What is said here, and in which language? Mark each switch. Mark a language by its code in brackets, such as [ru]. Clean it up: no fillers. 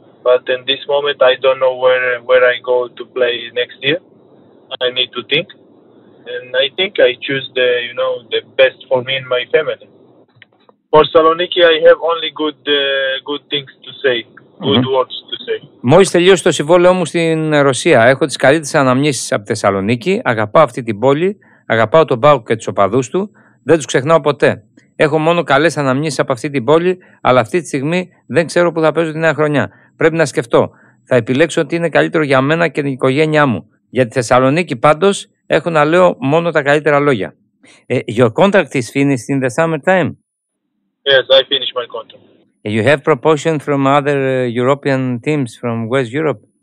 [en] But in this moment, I don't know where I go to play next year. I need to think, and I think I choose the, you know, the best for me and my family. For Saloniki, I have only good things to say, good words to say. [el] Μόλις τελειώσει το συμβόλαιό μου στην Ρωσία, έχω τις καλύτερες αναμνήσεις από τη Θεσσαλονίκη. Αγαπάω αυτή την πόλη, αγαπάω τον ΠΑΟΚ και τους οπαδούς του. Δεν τους ξεχνάω ποτέ. Έχω μόνο καλές αναμνήσεις από αυτή την πόλη, αλλά αυτή τη στιγμή δεν ξέρω που θα παίζω τη νέα χρονιά. Πρέπει να σκεφτώ. Θα επιλέξω ότι είναι καλύτερο για μένα και την οικογένειά μου. Για τη Θεσσαλονίκη πάντως έχω να λέω μόνο τα καλύτερα λόγια. [en] Your contract is finished in the summertime? Yes, I finished my contract. You have proposition from other European teams from West Europe?